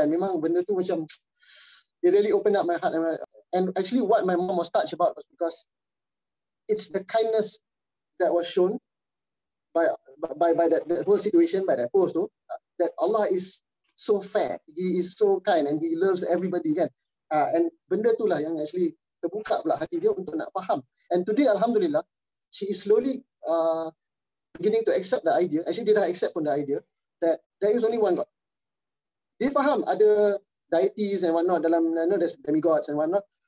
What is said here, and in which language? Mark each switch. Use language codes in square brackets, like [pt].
[en] And [ms] memang benda tu macam, [en] it really opened up my heart. And actually what my mom was touched about was because it's the kindness that was shown by that whole situation, by that post, though, that Allah is so fair. He is so kind and he loves everybody, kan? [ms] And benda itulah yang actually terbuka pula hati dia untuk nak faham. [en] And today, Alhamdulillah, she is slowly beginning to accept the idea. Actually, [ms] dia dah accept pun [en] the idea that there is only one God. [ms] Dia faham ada [en] deities and whatnot dalam, you know, there's demigods and whatnot.